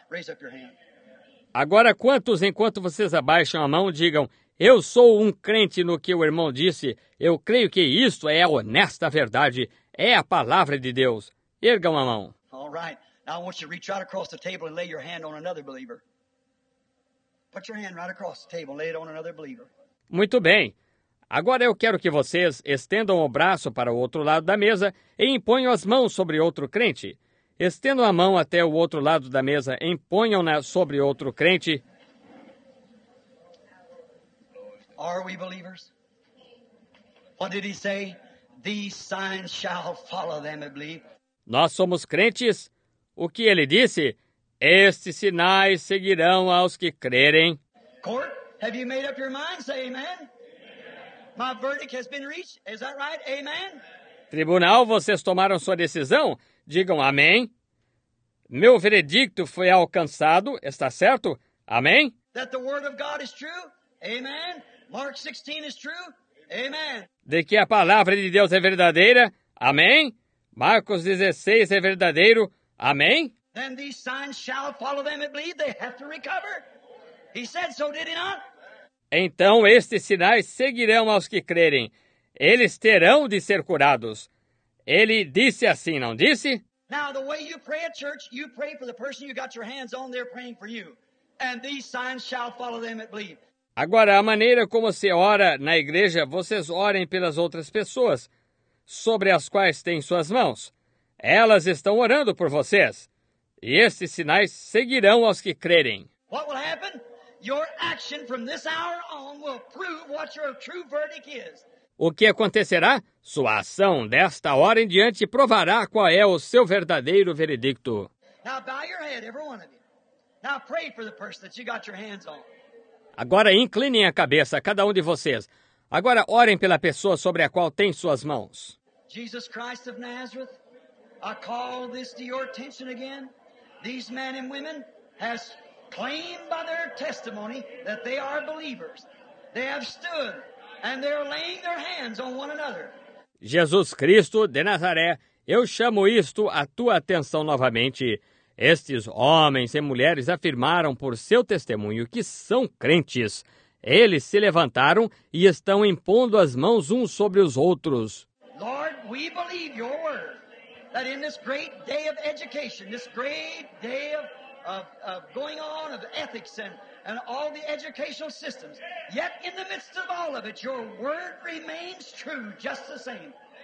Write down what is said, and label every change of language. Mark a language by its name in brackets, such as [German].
[English] Raise up your hand. [Portuguese] Agora quantos, enquanto vocês abaixam a mão, digam, eu sou um crente no que o irmão disse. Eu creio que isto é a honesta verdade. É a palavra de Deus. Ergam a mão. [English] All right. Now I want you to reach right across the table and lay your hand on another believer. Put your hand right across the table and lay it on another believer. [Portuguese] Muito bem. Agora eu quero que vocês estendam o braço para o outro lado da mesa e imponham as mãos sobre outro crente. Estendam a mão até o outro lado da mesa e imponham-na sobre outro crente. [English] Are we believers? What did he say? These signs shall follow them, I believe. [Portuguese] Nós somos crentes? O que ele disse? Estes sinais seguirão aos que crerem. [English] Court, have you made up your mind? Say amen. My verdict has been reached. Is that right? Amen. [Portuguese] Tribunal, vocês tomaram sua decisão? Digam amém. Meu veredicto foi alcançado. Está certo? Amém. [English] That the word of God is true? Amen. Mark 16 is true? Amen. [Portuguese] De que a palavra de Deus é verdadeira? Amém. Marcos 16 é verdadeiro? Amém. [English] Then these signs shall follow them and believe. They have to recover. He said so, did he not? [Portuguese] Então estes sinais seguirão aos que crerem. Eles terão de ser curados. Ele disse assim, não disse? [English] Now the way you pray at church, you pray for the person you got your hands on there praying for you. And these signs shall follow them and believe. [Portuguese] Agora, a maneira como se ora na igreja, vocês orem pelas outras pessoas sobre as quais têm suas mãos. Elas estão orando por vocês. E estes sinais seguirão aos que crerem. [English] What will happen? Your action from this hour on will prove what your true verdict is. [Portuguese] O que acontecerá? Sua ação desta hora em diante provará qual é o seu verdadeiro veredicto. [English] Now bow your head, every one of you. Now pray for the person that you got your hands on. [Portuguese] Agora inclinem a cabeça, cada um de vocês. Agora orem pela pessoa sobre a qual tem suas mãos. [English] Jesus Christ of Nazareth, I call this to your attention again. These men and women have claimed by their testimony that they are believers. They have stood and they are laying their hands on one another. [Portuguese] Jesus Cristo de Nazaré, eu chamo isto à tua atenção novamente. Estes homens e mulheres afirmaram por seu testemunho que são crentes. Eles se levantaram e estão impondo as mãos uns sobre os outros. [English] Lord, we believe your word that in this great day of education, this great day of going on of ethics and all the educational systems, yet in the midst of all of it, your word remains true just the same.